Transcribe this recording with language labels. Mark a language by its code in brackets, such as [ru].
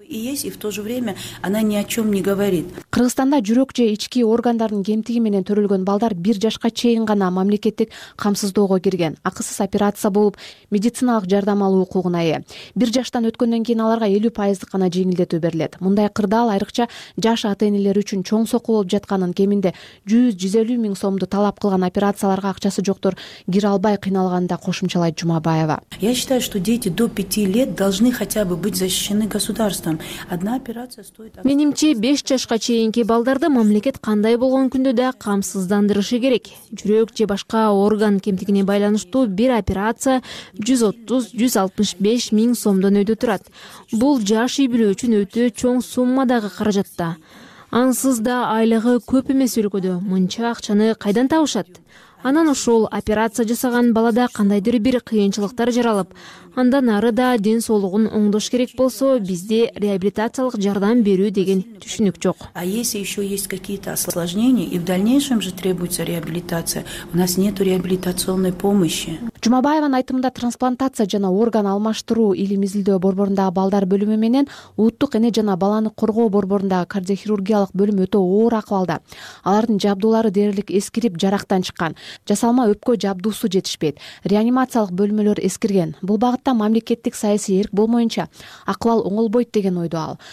[ru] И есть, и в то же время она ни о чем не говорит. [ky] Кыргызстанда жүрөк же ички органдардын кемтиги менен төрөлгөн балдар 1 жашка чейин гана мамлекеттик камсыздоого кирген, акысыз операция болуп, медициналык жардам алуу укугуна ээ. 1 жаштан өткөндөн кийин аларга 50% гана жеңилдетүү берилет. Мындай кырдаал айрыкча жаш ата-энелер үчүн чоң сокол болуп жатканын, кеминде 100-150 000 сомду талап кылган операцияларга акчасы жоктор кире албай кыйналганда кошумчалайт Жумабаева. [ru] Я считаю, что дети до 5 лет должны хотя бы быть защищены государством. [ky] Менимче 5 жашка чейинки балдарды мамлекет кандай болгон күндө да камсыздандырышы керек. Жүрөк же башка орган кемтигине байланыштуу бир операция 130-165 000 сомдон өйдө турат. Бул жаш үй бүлө үчүн өтө чоң суммадагы каражатта. Ансыз да айлыгы көп эмес өлкөдө мынча акчаны кайдан табышат? Анан ошол операция жасаган балада кандайдыр бир кыйынчылыктар жаралып, андан ары да ден соолугун оңдош керек болсо, бизде реабилитациялык жардам берүү деген түшүнүк жок. [ru] А если еще есть какие-то осложнения и в дальнейшем же требуется реабилитация, у нас нету реабилитационной помощи. [ky] Жумабаеванын айтымында трансплантация жана орган алмаштыруу илим изилдөө борборундагы балдар бөлүмү менен ууттук эне жана баланы коргоо борборундагы кардиохирургиялык бөлүм өтө оор акыбалда. Алардын жабдуулары дээрлик эскирип жарактан чыккан. Жасалма өпкө жабдуусу жетишпейт. Реанимациялык бөлмөлөр эскирген. Бул багытта мамлекеттик саясий эрк болмоюнча акыбал оңолбойт деген ойдо ал.